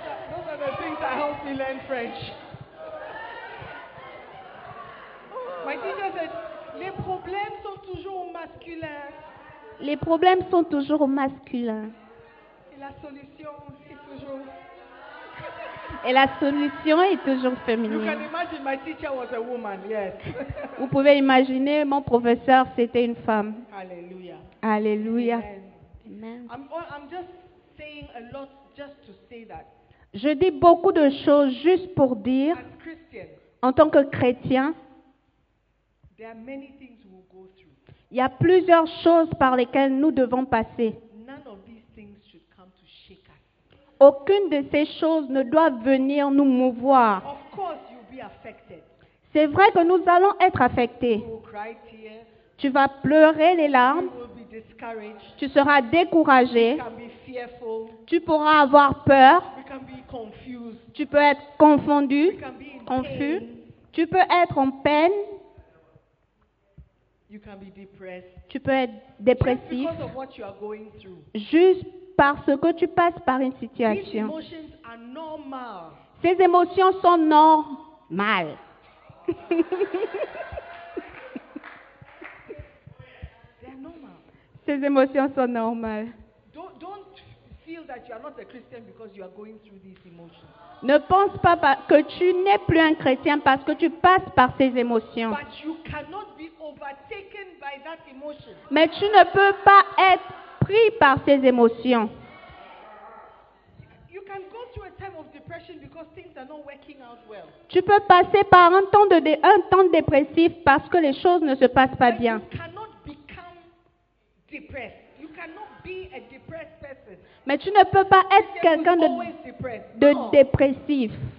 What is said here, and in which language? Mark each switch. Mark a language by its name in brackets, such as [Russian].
[English] Those are the things that helped me learn French. My teacher said, [French] les problèmes sont toujours masculins. Les problèmes sont toujours masculins. Et la solution est toujours. Et la solution est toujours féminine. [English] You can imagine my teacher was a woman, yes. [French] Vous pouvez imaginer, mon professeur, c'était une femme. Alléluia. Alléluia. Amen. [English] I'm just saying a lot just to say that. [French] Je dis beaucoup de choses juste pour dire, en tant que chrétien, [English] there are many things we'll go through. [French] Il y a plusieurs choses par lesquelles nous devons passer. [English] None of these things should come to shake us. [French] Aucune de ces choses ne doit venir nous mouvoir. [English] Of course you'll be affected. [French] C'est vrai que nous allons être affectés. [English] You will cry tears. [French] Tu vas pleurer les larmes. [English] You will be discouraged. [French] Tu seras découragé. [English] You can be fearful. [French] Tu pourras avoir peur. [English] You can be confused. [French] Tu peux être confondu, [English] you can be in [French] confus. [English] Pain. [French] Tu peux être en peine. [English] You can be depressed. [French] Tu peux être dépressif. [English] Just because of what you are going through. [French] Juste parce que tu passes par une situation. [English] These emotions are normal. [French] Ces émotions sont normales. [English] They are normal. [French] Ces émotions sont normales. [English] Don't feel that you are not a Christian because you are going through these emotions. [French] Ne pense pas que tu n'es plus un chrétien parce que tu passes par ces émotions. [English] But you cannot be overtaken by that emotion. [French] Mais tu ne peux pas être pris par ces émotions. [English] You can go through a time of depression because things are not working out well. [French] Tu peux passer par un temps dépressif parce que les choses ne se passent pas bien. [English] But you cannot become depressed. You cannot be a depressed person. [French] Mais tu ne peux pas être quelqu'un de dépressif.